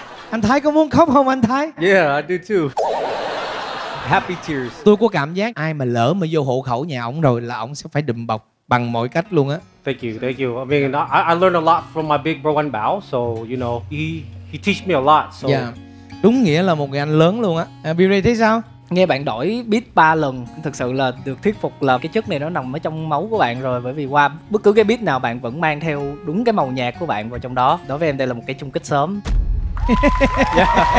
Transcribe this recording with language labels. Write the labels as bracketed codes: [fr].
[vi] Anh Thái có muốn khóc không anh Thái? [en] Yeah, I do too. Happy tears. [vi] Tôi có cảm giác ai mà lỡ mà vô hộ khẩu nhà ổng rồi là ổng sẽ phải đùm bọc bằng mọi cách luôn á. [en] Thank you, thank you. I mean, I learned a lot from my big bro Anh Bảo. So, you know, he teach me a lot. So. Yeah. [vi] Đúng nghĩa là một người anh lớn luôn á. B-Ray thấy sao? Nghe bạn đổi beat 3 lần, thực sự là được thuyết phục là cái chất này nó nằm ở trong máu của bạn rồi. Bởi vì qua bất cứ cái beat nào bạn vẫn mang theo đúng cái màu nhạc của bạn vào trong đó. Đối với em đây là một cái chung kết sớm. Yeah.